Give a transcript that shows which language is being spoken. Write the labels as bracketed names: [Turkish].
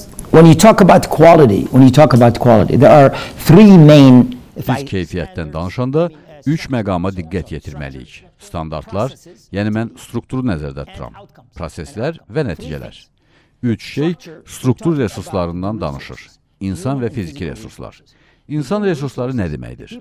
[English] When you talk about quality, there are three main. [Azerbaijani] Biz keyfiyyətdən danışanda 3 məqama diqqət yetirməliyik. Standartlar, yəni mən strukturu nəzərdə tuturam. Proseslər və nəticələr. 3 şey struktur resurslarından danışır. İnsan və fiziki resurslar. İnsan resursları nə deməkdir?